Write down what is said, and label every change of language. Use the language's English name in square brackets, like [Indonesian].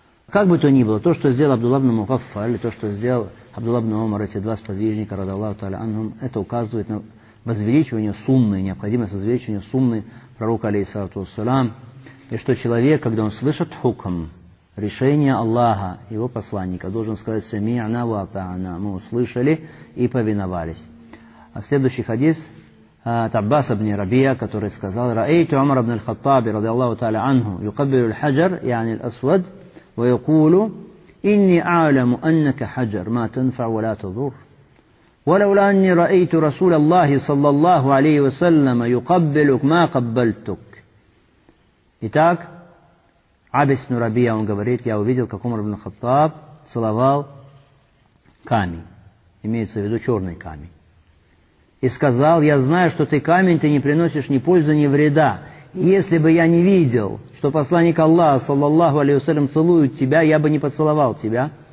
[Russian] Как бы то ни было, то, что сделал Абдулла ибн Мухаффаль, то, что сделал Абдулла ибн Умар, эти два сподвижника, радиаллаху та'ала анхум, это указывает на возвеличивание сунны, необходимость возвеличивания сунны пророка, алейхиссалату вассалям, и что человек, когда он слышит хукм, решение Аллаха, его посланника, должен сказать [Arabic] «Сами'на ва ата'на», [Russian] мы услышали и повиновались. А следующий хадис от Аббаса ибн Рабия, который сказал [Arabic] «Ра'эйту Умар ибн аль-Хаттаби, радиаллаху та'ала анху, юкаббилю аль-хаджар, яни аль-асвад». ويقول إني أعلم أنك حجر ما تنفع ولا تضر ولولا أني رأيت رسول الله صلى الله عليه وسلم يقبلك ما قبلتك. [Russian] Итак, Абис ибн Рабия, он говорит, я увидел, как Умар ибн Хаттаб целовал камень, имеется в виду черный камень, и сказал, я знаю, что ты камень, ты не приносишь ни пользы, ни вреда. Если бы я не видел, что посланник Аллаха, саллаллаху алейхи вассалям, целует тебя, я бы не поцеловал тебя.